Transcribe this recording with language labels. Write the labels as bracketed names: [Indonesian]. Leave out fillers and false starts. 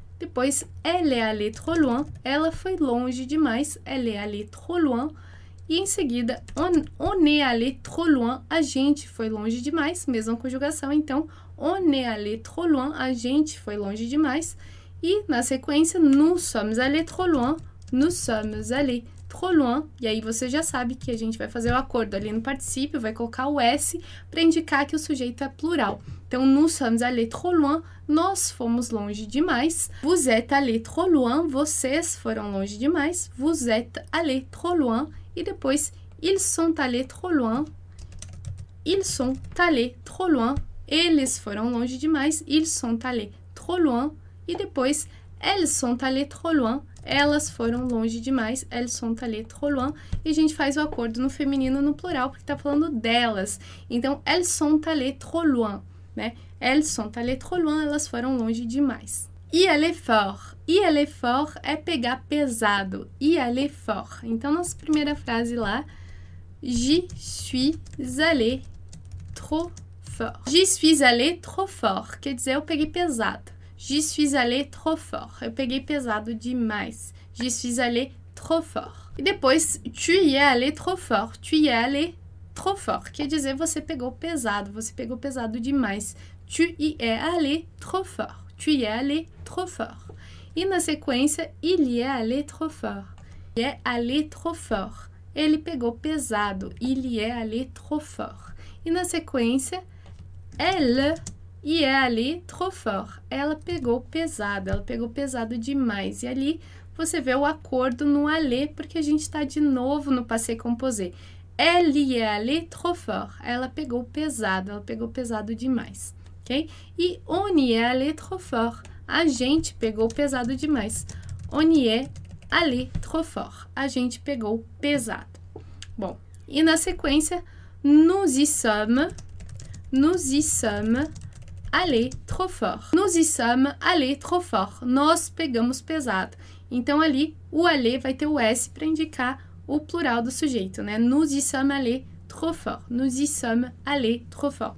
[Portuguese] Depois, [French] elle est allée trop loin. [Portuguese] Ela foi longe demais. [French] Elle est allée trop loin. [Portuguese] E em seguida, [French] on est allé trop loin. [Portuguese] A gente foi longe demais. Mesma conjugação. Então, [French] on est allé trop loin. [Portuguese] A gente foi longe demais. E na sequência, [French] nous sommes allés trop loin. Nous sommes allés trop loin. [Portuguese] E aí você já sabe que a gente vai fazer o acordo ali no particípio, vai colocar o S para indicar que o sujeito é plural. Então, [French] nous sommes allés trop loin. [Portuguese] Nós fomos longe demais. [French] Vous êtes allés trop loin. [Portuguese] Vocês foram longe demais. [French] Vous êtes allés trop loin. [Portuguese] E depois, [French] ils sont allés trop loin. Ils sont allés trop loin. [Portuguese] Eles foram longe demais. [French] Ils sont allés trop loin. [Portuguese] E depois, [French] elles sont allées trop loin. [Portuguese] Elas foram longe demais. [French] Elles sont allées trop loin. [Portuguese] E a gente faz o acordo no feminino no plural, porque tá falando delas. [French] Então, elles sont allées trop loin, né? Elles sont allées trop loin. [Portuguese] Elas foram longe demais. E aller fort. E aller fort é pegar pesado. [French] E aller fort. [Portuguese] Então, nossa primeira frase lá. [French] J'y suis allée trop fort. J'y suis allée trop fort. [Portuguese] Quer dizer, eu peguei pesado. [French] Je suis allé trop fort. [Portuguese] Eu peguei pesado demais. [French] Je suis allé trop fort. E depois, tu y es allé trop fort. Tu y es allé trop fort. [Portuguese] Quer dizer, você pegou pesado. Você pegou pesado demais. [French] Tu y es allé trop fort. Tu y es allé trop fort. E na sequência, il y est allé trop fort. Il y est allé trop fort. Ele pegou pesado. Il y est allé trop fort. [Portuguese] E na sequência, elle. E é ali, trop fort. Ela pegou pesado, ela pegou pesado demais. E ali você vê o acordo no aller, porque a gente está de novo no passé composé. [French] Elle y est allée trop fort. [Portuguese] Ela pegou pesado, ela pegou pesado demais. Ok? [French] E on y est allée trop fort. [Portuguese] A gente pegou pesado demais. [French] On y est allée trop fort. [Portuguese] A gente pegou pesado. Bom, e na sequência, nous y sommes. [French] Allez, trop fort. Nous y sommes allés trop fort. [Portuguese] Nós pegamos pesado. Então, ali, o allé vai ter o S para indicar o plural do sujeito, né? [French] Nous y sommes allés trop fort. Nous y sommes allés trop fort.